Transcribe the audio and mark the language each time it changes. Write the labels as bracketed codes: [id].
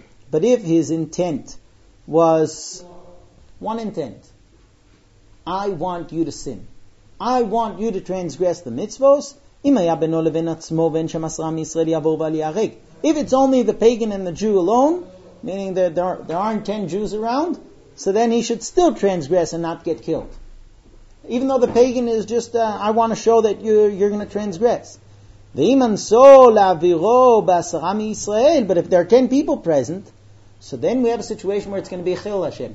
[en] But if his intent was one intent, I want you to sin. I want you to transgress the mitzvos. [he] אם היה בינו לבין עצמו ואין שם עשרה מישראל יעבור ועל יערג. [en] If it's only the pagan and the Jew alone, meaning that there aren't 10 Jews around, so then he should still transgress and not get killed. Even though the pagan is just, I want to show that you're going to transgress. [he] ואם אנסו להעבירו בעשרה מישראל, [en] but if there are 10 people present, so then we have a situation where it's going to be a chil Hashem.